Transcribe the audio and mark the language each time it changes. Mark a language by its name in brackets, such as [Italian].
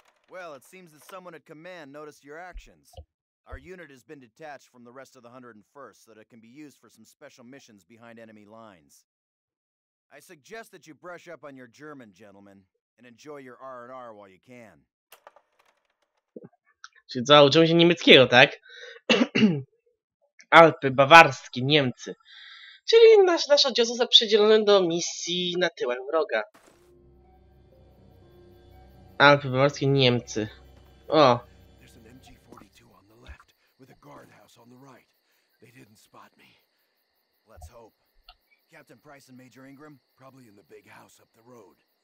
[English] Well, it seems that someone at command noticed your actions. Our unit has been detached from the rest of the 101st so that it can be used for some special missions behind enemy lines. I suggest that you brush up on your German, gentlemen, and enjoy your R&R while you can. [Polish] Czy zauczymy się niemieckiego, tak? Alpy Bawarskie, Niemcy. Czyli nasz oddział został przydzielony do misji na tyłach wroga. Alpy Bawarskie, Niemcy. O! [English] There's an MG42 on the left, with a guardhouse on the right. They didn't spot me. Let's hope. Captain Price and Major Ingram, probably in the big house up the road.